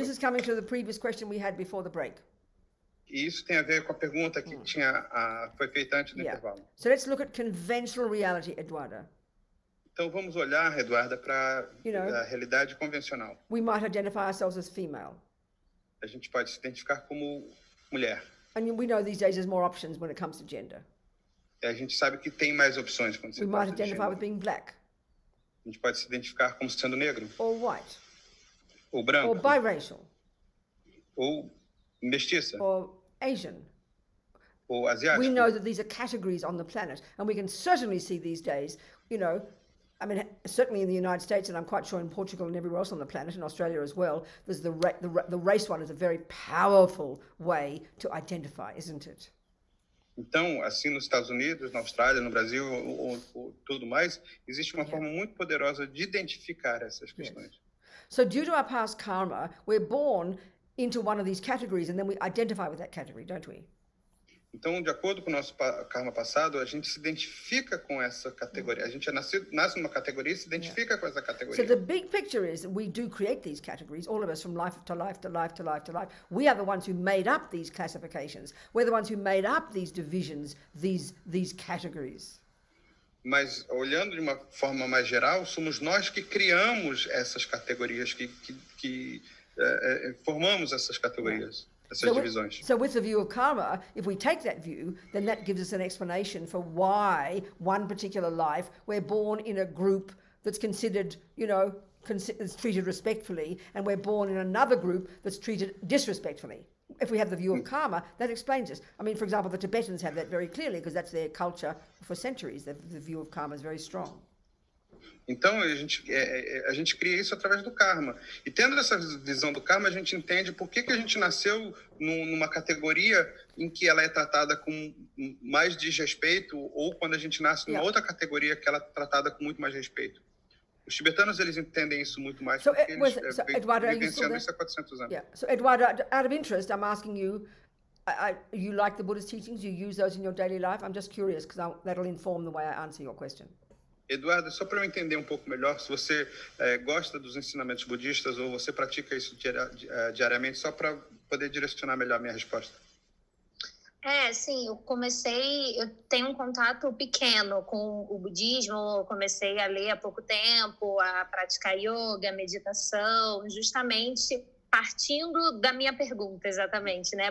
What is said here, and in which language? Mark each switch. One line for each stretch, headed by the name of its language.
English: This is coming to the previous question we had before the break.
Portuguese: Isso tem a ver com a pergunta que tinha foi feita antes do yeah. intervalo.
English: So let's look at conventional reality, Eduardo.
Portuguese: Então vamos olhar, Eduarda, para a realidade convencional.
English: We might identify ourselves as female.
Portuguese: A gente pode se identificar como mulher.
English: And we know these days there's more options when it comes to gender.
Portuguese: E a gente sabe que tem mais opções quando se trata de gênero.
English: We might identify with being black.
Portuguese: A gente pode se identificar como sendo negro.
English: Or white.
Portuguese: Ou branco.
English: Or biracial.
Portuguese: Ou mestiça.
English: Or Asian.
Portuguese: Ou asiático.
English: We know that these are categories on the planet, and we can certainly see these days, you know, I mean, certainly in the United States, and I'm quite sure in Portugal and everywhere else on the planet, and Australia as well, there's the race one is a very powerful way to identify, isn't it?
Portuguese: Então, assim, nos Estados Unidos, na Austrália, no Brasil, ou tudo mais, existe uma forma muito poderosa de identificar essas questões. Yes.
English: So due to our past karma, we're born into one of these categories, and then we identify with that category, don't we?
Portuguese: Então, de acordo com o nosso karma passado, a gente se identifica com essa categoria. A gente nasce numa categoria e se identifica com essa categoria.
English: So the big picture is we do create these categories, all of us, from life to life to life to life to life. We are the ones who made up these classifications. We're the ones who made up these divisions, these categories.
Portuguese: Mas, olhando de uma forma mais geral, somos nós que criamos essas categorias, que formamos essas categorias. Yeah.
English: So with the view of karma, if we take that view, then that gives us an explanation for why one particular life, we're born in a group that's considered, you know, is treated respectfully, and we're born in another group that's treated disrespectfully. If we have the view of karma, that explains this. I mean, for example, the Tibetans have that very clearly because that's their culture for centuries. The view of karma is very strong.
Portuguese: Então, a gente cria isso através do karma. E tendo essa visão do karma, a gente entende por que a gente nasceu numa categoria em que ela é tratada com mais desrespeito ou quando a gente nasce numa outra categoria que ela é tratada com muito mais respeito. Os tibetanos, eles entendem isso muito mais porque eles vivenciaram isso há 400 anos. Yeah.
English: So, Eduardo, out of interest, I'm asking you, you like the Buddhist teachings? You use those in your daily life? I'm just curious because that'll inform the way I answer your question.
Portuguese: Eduardo, só para eu entender um pouco melhor, se você gosta dos ensinamentos budistas ou você pratica isso diariamente, só para poder direcionar melhor a minha resposta. É, sim, eu tenho um contato pequeno com o budismo, comecei a ler há pouco tempo, a praticar yoga, meditação, justamente partindo da minha pergunta, exatamente, né?